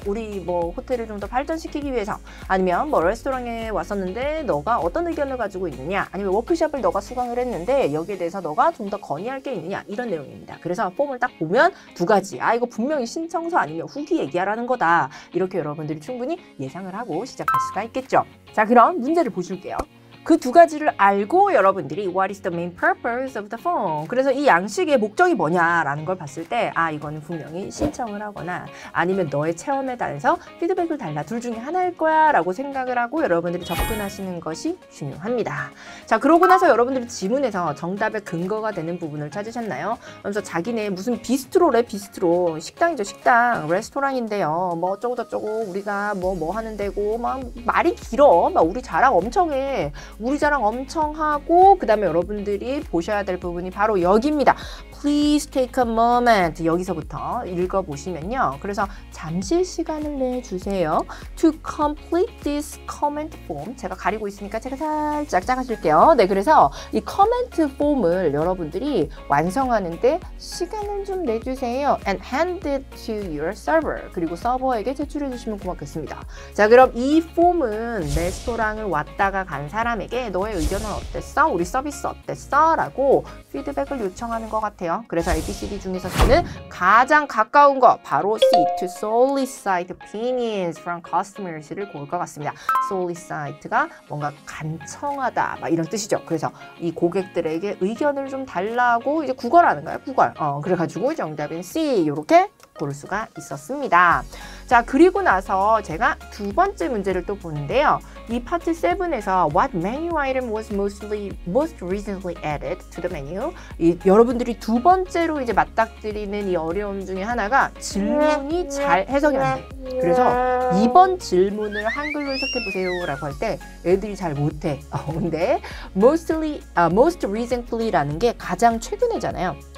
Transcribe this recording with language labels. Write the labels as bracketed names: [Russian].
[Korean] 우리 뭐 호텔을 좀 더 발전시키기 위해서, 아니면 뭐 레스토랑에 왔었는데 너가 어떤 의견을 가지고 있느냐, 아니면 워크숍을 너가 수강을 했는데 여기에 대해서 너가 좀 더 건의할 게 있느냐, 이런 내용입니다. 그래서 폼을 딱 보면 두 가지, 아 이거 분명히 신청서 아니면 후기 얘기하라는 거다, 이렇게 여러분들이 충분히 예상을 하고 시작할 수가 있겠죠. 자, 그럼 문제를 보실게요. 그 두 가지를 알고 여러분들이 [English] What is the main purpose of the form? [Korean] 그래서 이 양식의 목적이 뭐냐라는 걸 봤을 때, 아 이거는 분명히 신청을 하거나 아니면 너의 체험에 대해서 피드백을 달라, 둘 중에 하나일 거야 라고 생각을 하고 여러분들이 접근하시는 것이 중요합니다. 자, 그러고 나서 여러분들이 지문에서 정답의 근거가 되는 부분을 찾으셨나요? 그러면서 자기네 무슨 비스트로래, 비스트로, 식당이죠, 식당, 레스토랑인데요, 뭐 어쩌고저쩌고 우리가 뭐 하는 데고, 막 말이 길어, 막 우리 자랑 엄청 해, 우리 자랑 엄청 하고, 그 다음에 여러분들이 보셔야 될 부분이 바로 여기입니다. [English] Please take a moment. [Korean] 여기서부터 읽어보시면요. 그래서 잠시 시간을 내주세요. [English] To complete this comment form. [Korean] 제가 가리고 있으니까 제가 살짝 작아줄게요. 네, 그래서 이 comment form을 여러분들이 완성하는데 시간을 좀 내주세요. [English] And hand it to your server. [Korean] 그리고 서버에게 제출해주시면 고맙겠습니다. 자, 그럼 이 form은 레스토랑을 왔다가 간 사람에게 너의 의견은 어땠어? 우리 서비스 어땠어? 라고 피드백을 요청하는 것 같아요. 그래서 ABCD 중에서 저는 가장 가까운 거 바로 C, [English] to solicit opinions from customers [Korean] 를 고를 것 같습니다. solicit가 뭔가 간청하다, 막 이런 뜻이죠. 그래서 이 고객들에게 의견을 좀 달라고 이제 구걸하는 거예요, 구걸. 그래가지고 정답인 C, 이렇게 고를 수가 있었습니다. 자, 그리고 나서 제가 두 번째 문제를 또 보는데요. 이 파트 7에서 [English] What menu item was most recently added to the menu? [Korean] 이, 여러분들이 두 번째로 이제 맞닥뜨리는 이 어려움 중에 하나가 질문이 잘 해석이 안 돼. 그래서 이번 질문을 한글로 해석해보세요 라고 할 때 애들이 잘 못해. 근데 most recently라는 게 가장 최근이잖아요.